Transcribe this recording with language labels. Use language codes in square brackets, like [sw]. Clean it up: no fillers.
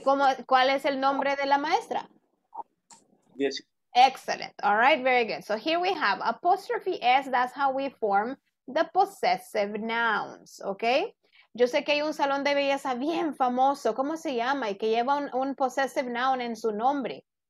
[es] ¿Cómo, cuál es el nombre de la maestra? Jessica. [en] Excellent. All right. Very good. So here we have apostrophe S. That's how we form the possessive nouns, okay? [es] Yo sé que hay un salón de belleza bien famoso. ¿Cómo se llama? Y que lleva un possessive noun en su nombre.